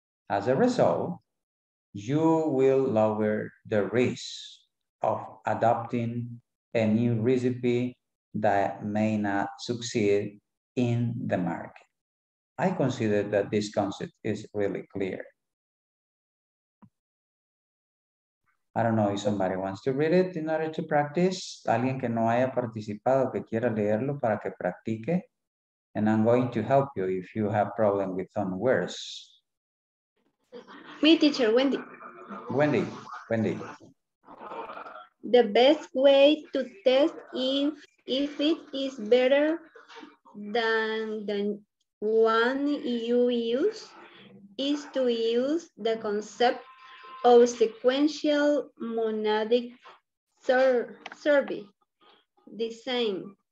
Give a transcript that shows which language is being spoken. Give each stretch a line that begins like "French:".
English: As a result, you will lower the risk of adopting a new recipe that may not succeed in the market. I consider that this concept is really clear. I don't know if somebody wants to read it in order to practice.
Spanish: Alguien que no haya participado, que quiera leerlo para que practique.
English: And I'm going to help you if you have problem with some words. Me, teacher, Wendy. Wendy. The best way to test if it is better than the one you use is to use the concept of sequential monadic survey design.